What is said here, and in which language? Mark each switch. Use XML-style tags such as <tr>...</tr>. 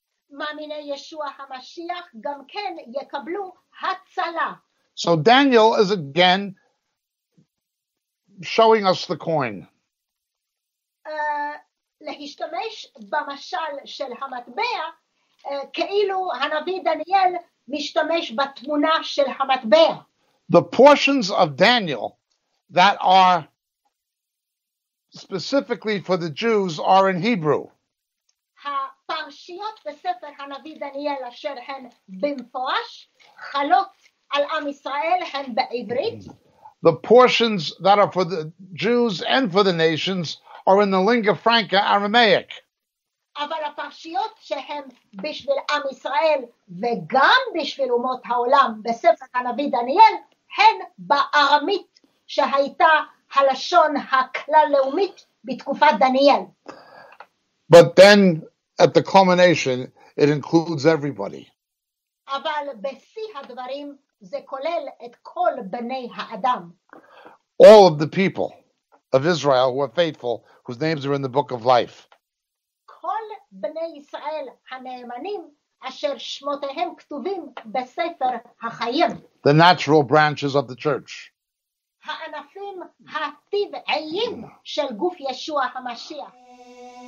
<he>מאמיני ישוע המשיח גם כן יקבלו הצלה.</he> <en>So Daniel is again showing us the coin.</en> <he>להשתמש במשל של המטבע, כאילו הנביא דניאל משתמש בתמונה של המטבע.</he> <en>The portions of Daniel that are specifically for the Jews are in Hebrew.</en> <he>הפרשיות בספר הנביא דניאל אשר הן במפורש חלות על עם ישראל הן בעברית.</he> <en>The portions that are for the Jews and for the nations are in the lingua franca Aramaic.</en> <he>אבל הפרשיות שהן בשביל עם ישראל וגם בשביל אומות העולם בספר הנביא דניאל הן בארמית שהייתה הלשון הכלל-לאומית בתקופת דניאל.</he> <en>But then, at the culmination, it includes everybody.</en> <he>אבל בשיא הדברים, זה כולל את כל בני האדם.</he> <en>All of the people of Israel who are faithful, whose names are in the book of life.</en> <he>כל בני ישראל הנאמנים, אשר שמותיהם כתובים בספר החיים.</he> <en>The natural branches of the church.</en> <he>הענפים הטבעיים של גוף ישוע המשיח.</he>